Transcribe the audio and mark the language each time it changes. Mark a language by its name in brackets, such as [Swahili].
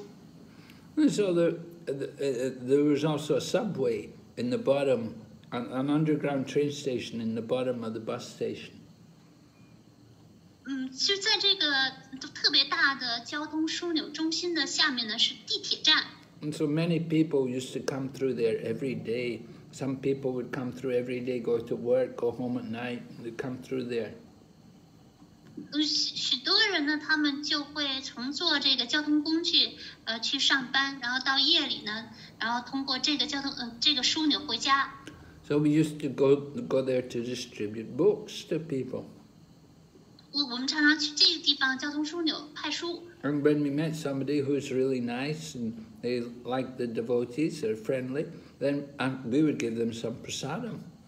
[English] So there was also a subway in the bottom, an underground train station in the bottom of the bus station. [Chinese] 就在这个特别大的交通枢纽中心的下面呢,是地铁站。 [English] And so many people used to come through there every day. Some people would come through every day, go to work, go home at night, they'd come through there. [Chinese] 许多人呢,他们就会乘坐这个交通工具去上班,然后到夜里呢,然后通过这个枢纽回家。 [English] So we used to go there to distribute books to people. [Chinese] 我们常常去这个地方,交通枢纽派书。 [English] And when we met somebody who's really nice and they like the devotees, they're friendly, then we would give them some prasadam.